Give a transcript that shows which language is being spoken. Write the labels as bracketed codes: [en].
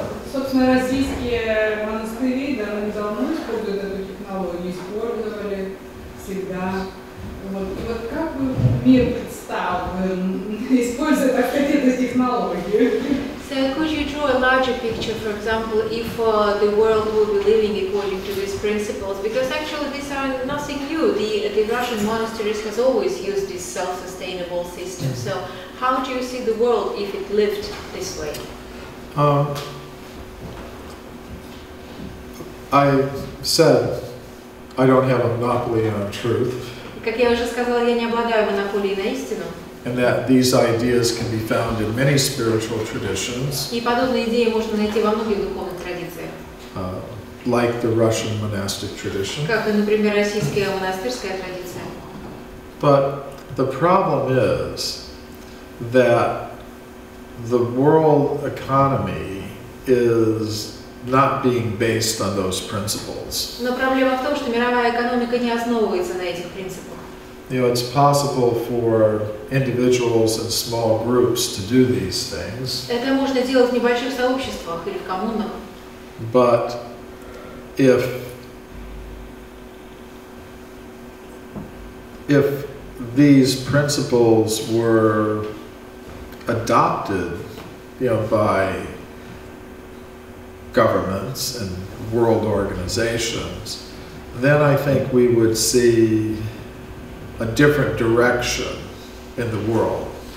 [ru] Собственно, российские монастыри давно используют эту технологию, использовали всегда. Вот как бы мир предстал, используя так какие-то технологии? [en] So could you draw a larger picture, for example, if the world would be living according to these principles? Because actually these are nothing new. The Russian monasteries has always used this self-sustainable system. So how do you see the world if it lived this way? I said I don't have a monopoly on truth. [ru] Как я уже сказала, я не обладаю монополией на истину. [en] And that these ideas can be found in many spiritual traditions. [ru] И подобные идеи можно найти во многих духовных традициях. [en] Like the Russian monastic tradition. [ru] Как, например, российская монастырская традиция. [en] But the problem is that the world economy is not being based on those principles. [ru] Но проблема в том, что мировая экономика не основывается на этих принципах. [en] You know, it's possible for individuals and small groups to do these things. [ru] Это можно делать в небольших сообществах или в коммунах. [en] But if these principles were adopted, you know, by governments and world organizations, then I think we would see a different direction in the world.